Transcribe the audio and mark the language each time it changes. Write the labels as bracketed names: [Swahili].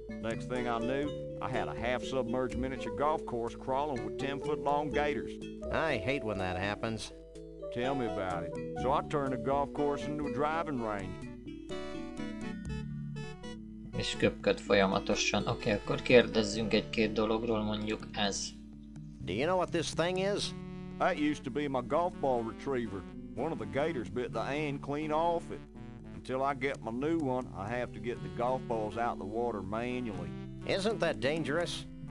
[English] Next thing I knew, I had a half-submerged miniature golf course crawling with 10-foot-long gators. I hate when that happens. Tell me about it. So I turned a golf course into a driving range. [Hungarian] És köpköd folyamatosan. Oké, akkor kérdezzünk egy-két dologról, mondjuk ez. [English] Do you know what this thing is? That used to be my golf ball retriever. One of the gators bit the end clean off it. Until I get my new one, I have to get the golf balls out of the water manually. Isn't that dangerous?